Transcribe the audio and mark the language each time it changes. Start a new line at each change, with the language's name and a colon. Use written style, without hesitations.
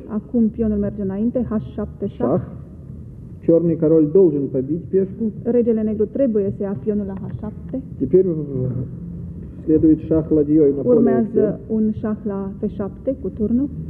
Romanian: Acum pionul merge înainte, H7
Russian: шах. Черный король должен побить пешку.
Romanian: Regele negru trebuie să ia pionul la H7.
Russian: Теперь следует шах ладьей на поле.
Romanian: Urmează un șah la F7 cu turnul.